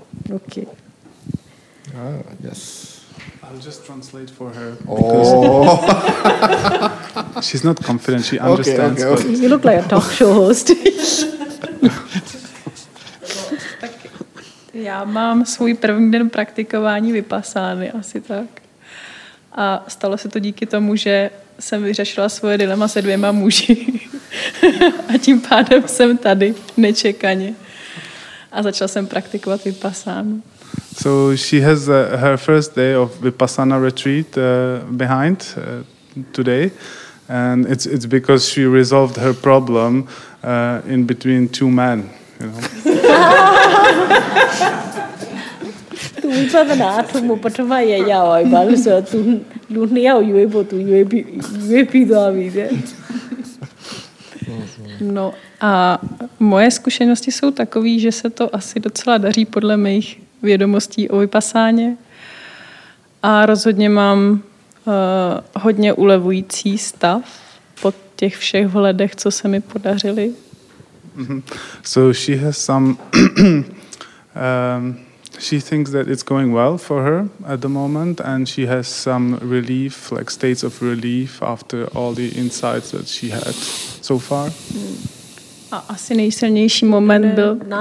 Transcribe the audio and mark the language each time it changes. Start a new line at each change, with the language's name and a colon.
English: Okay. Yes. I'll just translate for her. Because she's not confident, she understands. Okay, okay. You look like a talk show host.
Czech: Já mám svůj první den praktikování vypasány, asi tak. A stalo se to díky tomu, že jsem vyřešila svoje dilema se dvěma muži. A tím pádem jsem tady, nečekaně. A začala jsem praktikovat vypasánu.
English: So she has her first day of Vipassana retreat behind today, and it's because she resolved her problem in between two men, you know. Tu vipavana atumu patama ya ya wai ba so tu lunia o yuebo tu yuebi yuebi da.
Czech: No a moje zkušenosti jsou takové, že se to asi docela daří podle mých vědomostí o vypasáně. A rozhodně mám hodně ulevující stav po těch všech vhledech, co se mi podařily.
English: So she has some she thinks that it's going well for her at the moment and she has some relief, like states of relief after all the insights that she had so far.
Czech: A asi nejsilnější moment byl...